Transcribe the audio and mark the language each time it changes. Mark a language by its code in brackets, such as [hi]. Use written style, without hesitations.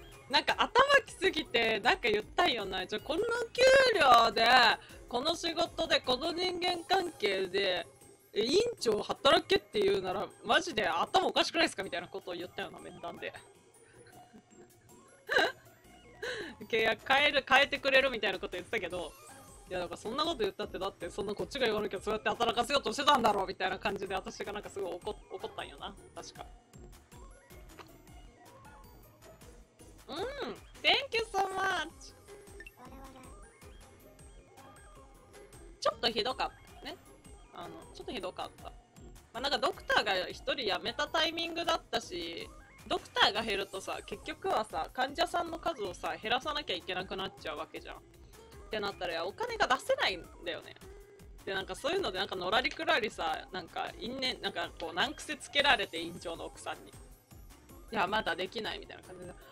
[ja] なんか頭きすぎて、なんか言ったんよな、この給料でこの仕事でこの人間関係で院長働けっていうならマジで頭おかしくないですかみたいなことを言ったような面談で。契約変えてくれるみたいなこと言ってたけど、いやだから、そんなこと言ったって、だってそんなこっちが言わなきゃそうやって働かせようとしてたんだろうみたいな感じで、私がなんかすごい怒ったんよな、確か。うん、 [en] Thank you so much。 [ja] ちょっとひどかったね、あのちょっとひどかった。まあ、なんかドクターが一人辞めたタイミングだったし、ドクターが減るとさ、結局はさ、患者さんの数をさ減らさなきゃいけなくなっちゃうわけじゃん。ってなったら、お金が出せないんだよね。で、なんかそういうので、なんかのらりくらりさ、なんか因縁、なんかこう難癖つけられて、院長の奥さんに、いやまだできないみたいな感じで、